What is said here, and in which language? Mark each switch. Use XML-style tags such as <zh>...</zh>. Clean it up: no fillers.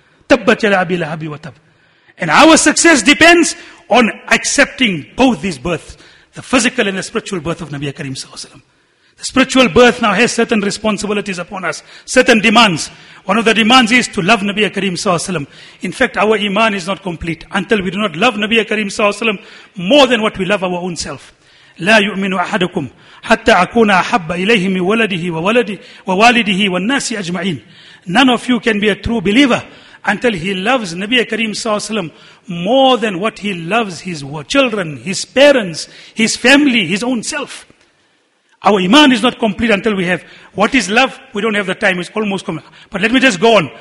<ar>Tabbat yala abi lahabi wa tab.</ar> <en>And our success depends on accepting both these births, the physical and the spiritual birth of Nabi Kareem Sallallahu Alaihi Wasallam. The spiritual birth now has certain responsibilities upon us, certain demands. One of the demands is to love Nabi Kareem Sallallahu Alaihi Wasallam. In fact, our iman is not complete until we do not love Nabi Kareem Sallallahu Alaihi Wasallam more than what we love our own self.</en> <ar>لا يؤمن أحدكم حتى أكون أحب إليه من ولده ووالده والناس أجمعين.</ar> <en>None of you can be a true believer until he loves Nabi Kareem Sallallahu Alaihi Wasallam more than what he loves his children, his parents, his family, his own self. Our iman is not complete until we have. What is love? We don't have the time. It's almost coming. But let me just go on.</en>